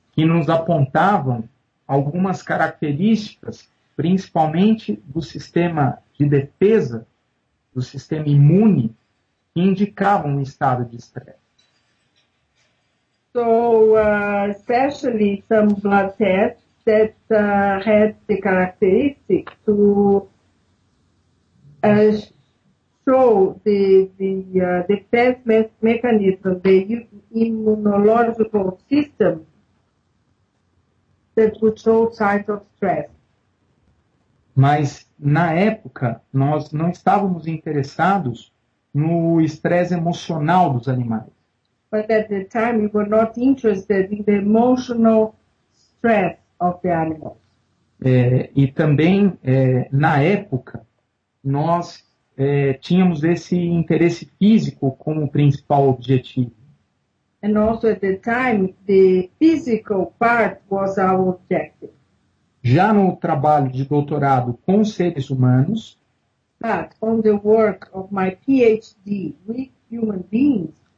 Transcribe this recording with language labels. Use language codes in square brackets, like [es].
[pt] Que nos apontavam algumas características, principalmente do sistema de defesa, do sistema imune, que indicava um estado de estresse. [en] So, especially some blood tests that had the characteristic to show the defense mechanism, the immunological system that would show signs of stress. [pt] Mas, na época, nós não estávamos interessados no estresse emocional dos animais. [en] But at the time, we were not interested in the emotional stress of the animals. [pt] E também, na época, nós tínhamos esse interesse físico como principal objetivo. [en] And also, at the time, the physical part was our objective. [pt] Já no trabalho de doutorado com seres humanos, [en] but on the work of my PhD with human beings,